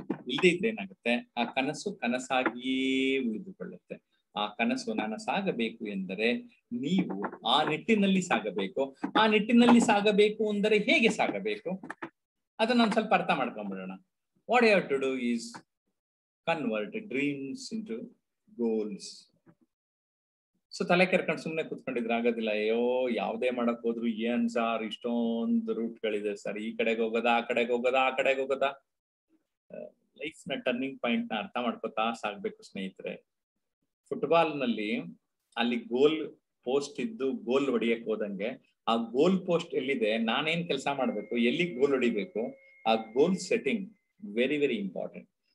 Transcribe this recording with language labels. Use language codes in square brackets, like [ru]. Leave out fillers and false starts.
[kn] ಇಲ್ಲದೇ ಇದ್ರೆ ಏನಾಗುತ್ತೆ, ಆ ಕನಸು ಕನಸಾಗಿಯೇ ಉಳಿದುಕೊಳ್ಳುತ್ತೆ. ಆ ಕನಸು ನನಸಾಗಬೇಕು ಎಂದರೆ ನೀವು ಆ ನಿಟ್ಟಿನಲ್ಲಿ ಸಾಗಬೇಕು. ಆ ನಿಟ್ಟಿನಲ್ಲಿ ಸಾಗಬೇಕು ಅಂದರೆ ಹೇಗೆ ಸಾಗಬೇಕು ಅದನ್ನ ಒಂದ್ ಸ್ವಲ್ಪ ಅರ್ಥ ಮಾಡ್ಕೊಂಡ್ಬಿಡೋಣ. [en] What you have to do is convert dreams into goals. [kn] So ತಲೆ ಕೆರ್ಕೊಂಡು ಸುಮ್ನೆ ಕುತ್ಕೊಂಡಿದ್ರೆ ಆಗೋದಿಲ್ಲ. ಅಯ್ಯೋ ಯಾವ್ದೇ ಮಾಡಕ್ ಹೋದ್ರು ಏನ್ ಸಾರ್ ಇಷ್ಟೊಂದು ರೂಟ್ ಗಳಿದೆ ಸರ್, ಈ ಕಡೆಗೆ ಹೋಗೋದ, ಆ ಕಡೆಗೆ ಹೋಗೋದ, ಆ ಕಡೆಗೆ ಹೋಗೋದ. ಲೈಫ್ ನ ಟರ್ನಿಂಗ್ ಪಾಯಿಂಟ್ ನ ಅರ್ಥ ಮಾಡ್ಕೋತಾ ಸಾಕ್ಬೇಕು ಸ್ನೇಹಿತರೆ. ಫುಟ್ಬಾಲ್ ನಲ್ಲಿ ಅಲ್ಲಿ ಗೋಲ್ ಪೋಸ್ಟ್ ಇದ್ದು ಗೋಲ್ ಹೊಡಿಯಕ್ ಹೋದಂಗೆ, ಆ ಗೋಲ್ ಪೋಸ್ಟ್ ಎಲ್ಲಿದೆ, ನಾನೇನ್ ಕೆಲಸ ಮಾಡ್ಬೇಕು, ಎಲ್ಲಿ ಗೋಲ್ ಹೊಡಿಬೇಕು, ಆ ಗೋಲ್ ಸೆಟ್ಟಿಂಗ್ [en] Very very important.